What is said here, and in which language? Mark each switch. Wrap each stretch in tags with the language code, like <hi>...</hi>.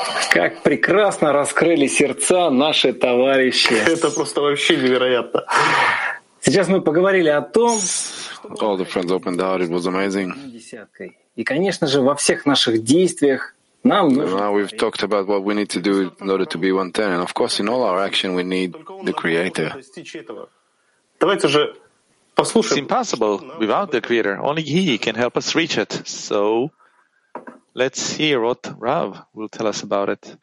<ru>Как прекрасно раскрыли сердца наши товарищи. Это просто вообще невероятно. Сейчас мы поговорили о том,</ru> <en>all the friends opened out, it was amazing.</en> <ru>И, конечно же, во всех наших действиях нам нужно.</ru> <en>Now we've talked about what we need to do in order to be 110, and of course, in all our action, we need the Creator.</en> <ru>Давайте же послушаем.</ru> <en>It's impossible without the Creator. Only He can help us reach it. So. Let's hear what Rav will tell us about it.</en>